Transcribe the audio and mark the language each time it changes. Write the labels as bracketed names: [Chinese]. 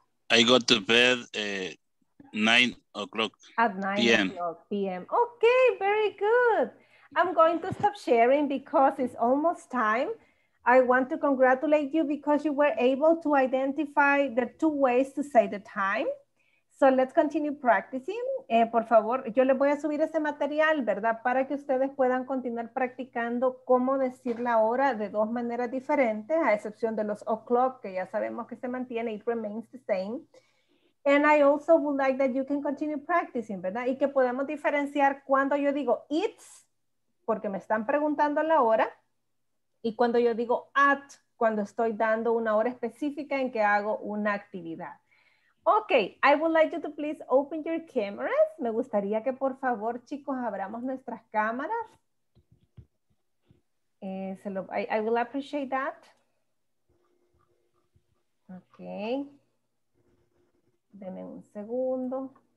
[English] I go to bed at 9 o'clock. At 9 p.m. Okay, very good. I'm going to stop sharing because it's almost time. I want to congratulate you because you were able to identify the two ways to say the time. So let's continue practicing. [Spanish] Por favor, yo les voy a subir ese material, ¿verdad? Para que ustedes puedan continuar practicando cómo decir la hora de dos maneras diferentes, a excepción de los o'clock, que ya sabemos que se mantiene, [English] it remains the same. And I also would like that you can continue practicing, ¿verdad? [Spanish] Y que podamos diferenciar cuando yo digo it's, porque me están preguntando la hora, y cuando yo digo at, cuando estoy dando una hora específica en que hago una actividad. [English] Okay, I would like you to please open your cameras. [Spanish] Me gustaría que por favor, chicos, abramos nuestras cámaras. [English] I will appreciate that. [Spanish] Okay. Denme un segundo.